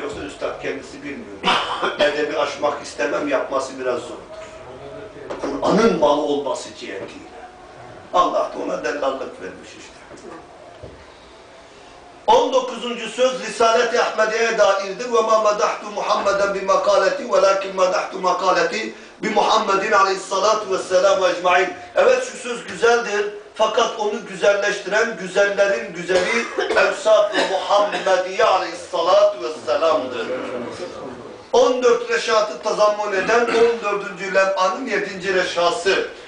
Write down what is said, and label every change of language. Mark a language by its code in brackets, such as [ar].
[tr] Yoksa üstad kendisi bilmiyor. Edebi aşmak istemem, yapması biraz zordur. Kur'an'ın malı olması cihetiyle. Allah da ona dellallık vermiş işte. 19. söz Risalet-i Ahmediye'ye dairdir. [ar] وَمَا مَدَحْتُ مُحَمَّدًا بِمَقَالَةِ وَلَكِنْ مَدَحْتُ مَقَالَةِ بِمُحَمَّدٍ عَلَيْهِسَّلَاتُ وَسَّلَامُ اَجْمَعِينَ [tr] Evet şu söz güzeldir. Fakat onu güzelleştiren güzellerin güzeli Evsat-ı Muhammediye Aleyhisselatü Vesselam'dır. 14 reşatı tazammun eden 14. lem'anın 7. reşası.